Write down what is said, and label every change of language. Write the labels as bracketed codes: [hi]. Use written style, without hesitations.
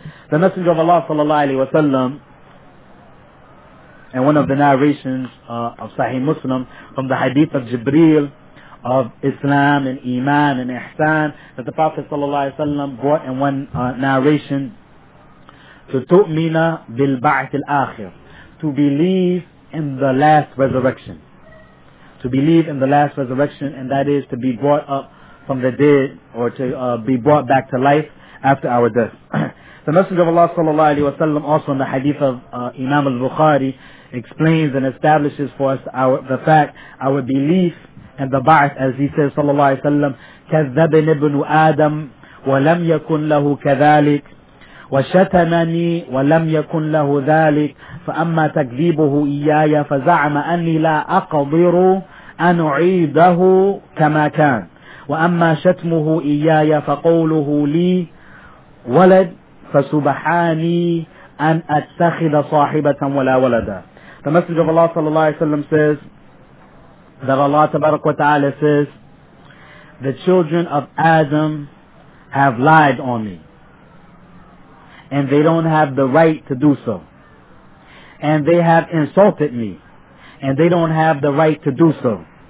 [en] The Messenger of Allah sallallahu alayhi wa sallam, and one of the narrations of Sahih Muslim, from the hadith of Jibreel, of Islam and Iman and Ihsan, that the Prophet sallallahu alayhi wa sallam brought in one narration, to [ar] tu'mina bil ba'at al-akhir, [en] to believe in the last resurrection. To believe in the last resurrection, and that is to be brought up from the dead, or to be brought back to life after our death. The Messenger of Allah sallallahu alayhi wa sallam, also in the hadith of Imam al-Bukhari, explains and establishes for us our belief in the ba'ath, as he says, sallallahu alayhi wa sallam, [ar] كَذَّبَنِ ابْنُ آدَمْ وَلَمْ يَكُنْ لَهُ كَذَلِكَ وَشَتَمَنِي وَلَمْ يَكُنْ لَهُ ذَلِكَ فَأَمَّا تَكْذِيبُهُ إِيَّايَ فَزَعْمَ أَنِّي لَا أَقَدِرُ أَنْ أُعِيدَهُ كَمَا كَانَ وَأَمَّا شَتْمُهُ إِيَّايَ فَقَوْلُهُ لِي وَلَدْ فَسُبْحَانِي أَنْ أَتَّخِذَ صَاحِبَةً وَلَا وَلَدًا. [en] The Messenger of Allah [ar] صلى الله عليه وسلم [en] says that Allah [ar] تبارك وتعالى [en] says, the children of Adam have lied on me, and they don't have the right to do so. And they have insulted me, and they don't have the right to do so.